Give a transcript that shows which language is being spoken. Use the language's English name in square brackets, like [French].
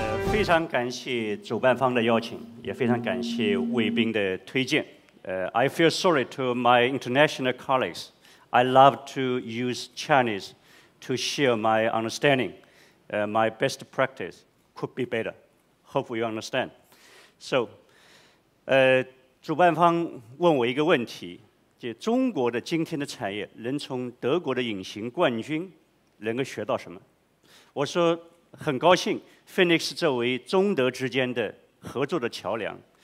[Chinese] 非常感谢主办方的邀请，也非常感谢卫兵的推荐。 [English] I feel sorry to my international colleagues. I love to use Chinese to share my understanding. My best practice could be better. Hope you understand. [Chinese] So, 主办方问我一个问题，就中国的今天的产业能从德国的隐形冠军能够学到什么？我说很高兴 ，Phoenix 作为中德之间的合作的桥梁。